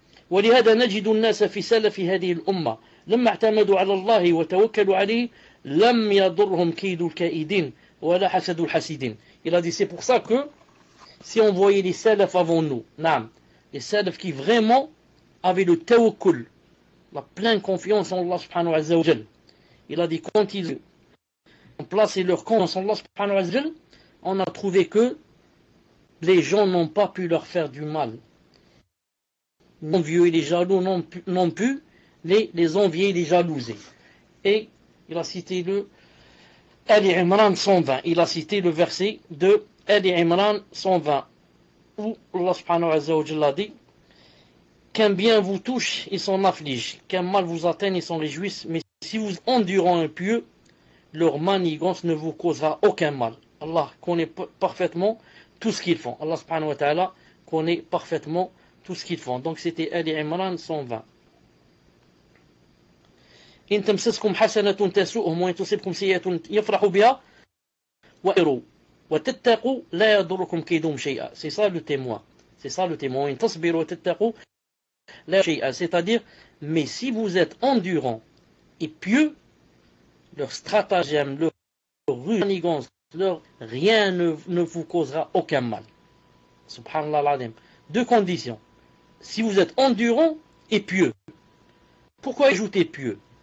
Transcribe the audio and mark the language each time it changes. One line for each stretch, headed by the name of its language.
Arabic: ولهذا نجد الناس في سلف هذه الأمة لما اعتمدوا على الله وتوكلوا عليه لم يضرهم كيد الكائدين ولا حسد الحاسدين.
French: Il a dit, c'est pour ça que si on voyait les salaf avant nous, les salaf qui vraiment avaient le tawakkul, la pleine confiance en Allah subhanahu wa ta'ala, il a dit, quand ils ont placé leur confiance en Allah subhanahu wa ta'ala, on a trouvé que les gens n'ont pas pu leur faire du mal. Les envieux et les jaloux n'ont pu les envier et les jalouser. Et il a cité le Ali Imran 120. Il a cité le verset de Ali Imran 120 où Allah subhanahu wa ta'ala dit qu'un bien vous touche, ils s'en affligent. Qu'un mal vous atteigne, ils s'en réjouissent. Mais si vous endurez un pieu, leur manigance ne vous causera aucun mal. Allah connaît parfaitement tout ce qu'ils font. Allah subhanahu wa ta'ala connaît parfaitement tout ce qu'ils font. Donc c'était Ali Imran 120.
Arabic: إن تمسسكم حسنة تسؤهم وإن تصبكم سيئة يفرحوا بها وإروا وتتقوا لا يضركم كيدهم شيئا.
French: C'est ça le témoin. C'est ça le témoin.
Arabic: إن تصبروا وتتقوا لا يضركم شيئا.
French: C'est-à-dire, mais si vous êtes endurant et pieux, leur stratagème, leur manigance, leur rien ne vous causera aucun mal. Subhanallah l'adhim. Deux conditions. Si vous êtes endurant et pieux, pourquoi ajouter pieux?